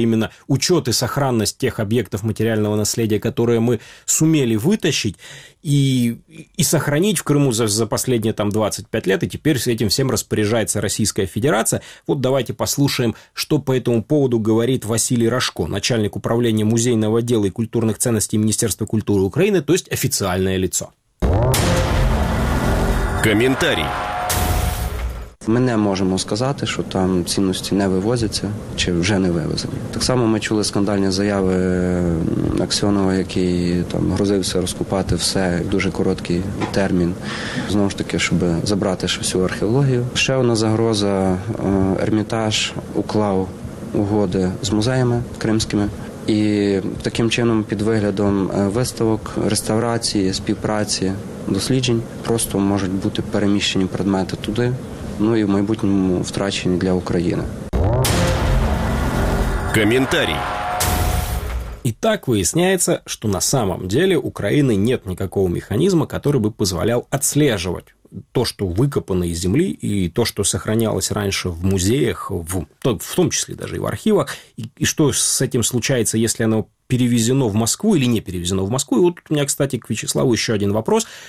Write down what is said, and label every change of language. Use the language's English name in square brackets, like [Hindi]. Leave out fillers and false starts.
[Russian] Именно учет и сохранность тех объектов материального наследия, которые мы сумели вытащить и сохранить в Крыму за последние там 25 лет, и теперь с этим всем распоряжается Российская Федерация. Вот давайте послушаем, что по этому поводу говорит Василий Рожко, начальник управления музейного отдела и культурных ценностей Министерства культуры Украины, то есть официальное лицо. Комментарий. [Ukrainian] Ми не можемо сказати, що там цінності не вивозяться чи вже не вивезені. Так само ми чули скандальні заяви Аксьонова, який там грозився розкопати все в дуже короткий термін, знову ж таки, щоб забрати всю археологію. Ще одна загроза – Ермітаж уклав угоди з музеями кримськими. І таким чином під виглядом виставок, реставрації, співпраці, досліджень просто можуть бути переміщені предмети туди. Ну і в майбутньому втрачені для України. Коментарі. І так виясняється, що [Russian] на самом деле у країни нет никакого механізму, который би позволяв відслежувати то, что выкопано из земли, и то, что сохранялось раньше в музеях, в том числе даже и в архивах, и что с этим случается, если оно перевезено в Москву или не перевезено в Москву. И вот у меня, кстати, к Вячеславу еще один вопрос.